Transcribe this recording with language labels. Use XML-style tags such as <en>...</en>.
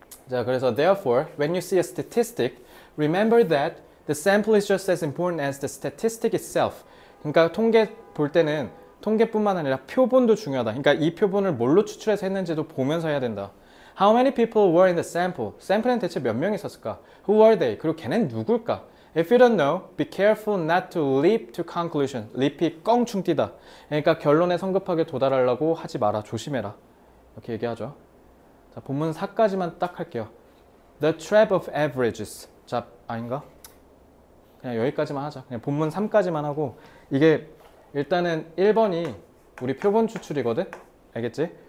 <ko>자, 그래서</ko> <en>therefore, when you see a statistic, remember that the sample is just as important as the statistic itself.</en> <ko>그러니까 통계 볼 때는 통계뿐만 아니라 표본도 중요하다. 그러니까 이 표본을 뭘로 추출해서 했는지도 보면서 해야 된다.</ko> <en>How many people were in the sample?</en> <ko>샘플엔 대체 몇명 있었을까?</ko> <en>Who are they?</en> <ko>그리고 걔넨 누굴까?</ko> <en>If you don't know, be careful not to leap to conclusion.</en> <ko>leap이 껑충 뛰다. 그러니까 결론에 성급하게 도달하려고 하지 마라. 조심해라. 이렇게 얘기하죠. 자, 본문 4까지만 딱 할게요.</ko> <en>The trap of averages.</en> <ko>자, 아닌가? 그냥 여기까지만 하자. 그냥 본문 3까지만 하고. 이게 일단은 1번이 우리 표본 추출이거든? 알겠지?</ko>